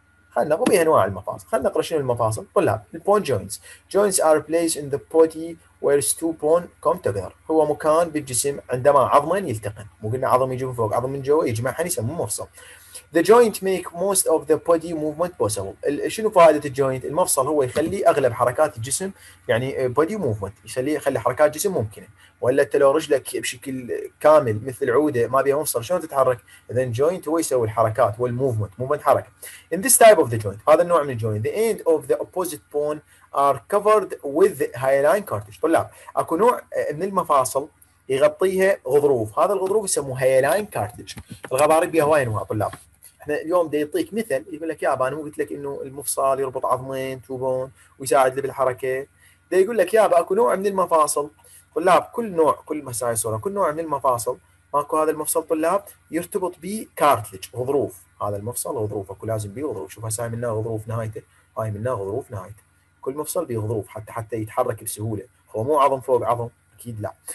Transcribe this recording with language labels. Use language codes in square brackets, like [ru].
[ar] خلينا نقوم بها انواع المفاصل خلينا نقرا شنو المفاصل طلاب البون جوينتس [en] joints are place in the body where two bone come together [ar] هو مكان بالجسم عندما عظمين يلتقن مو قلنا عظم يجي من فوق عظم من جوا يجمع حني يسمى مفصل [en] The joint make most of the body movement possible. [ar] شنو فائدة الجوينت؟ المفصل هو يخلي أغلب حركات الجسم يعني [en] body movement [ar] يخلي حركات جسم ممكنة. ولا لو رجلك بشكل كامل مثل العودة ما بيها مفصل شلون تتحرك؟ إذن joint هو يسوي الحركات والموفمنت movement حركة. [en] In this type of the joint [ar] هذا النوع من الجوينت. [en] The end of the opposite bone are covered with hyaline cartilage. [ar] طلاب أكو نوع من المفاصل يغطيها غضروف. هذا الغضروف يسموه hyaline cartilage. الغضاريف بيها هواي أنواع طلاب. احنا اليوم دا يعطيك مثل يقول لك يا ابا انا مو قلت لك انه المفصل يربط عظمين تو بون ويساعد لي بالحركه دا يقول لك يا ابا اكو نوع من المفاصل طلاب كل نوع كل مساي صوره كل نوع من المفاصل ماكو هذا المفصل طلاب يرتبط ب كارتلج غضروف هذا المفصل غضروفه كل لازم بيه غضروف شوف هسه منه غضروف نهايته هاي منه غضروف نهايته كل مفصل بيه غضروف حتى يتحرك بسهوله هو مو عظم فوق عظم اكيد لا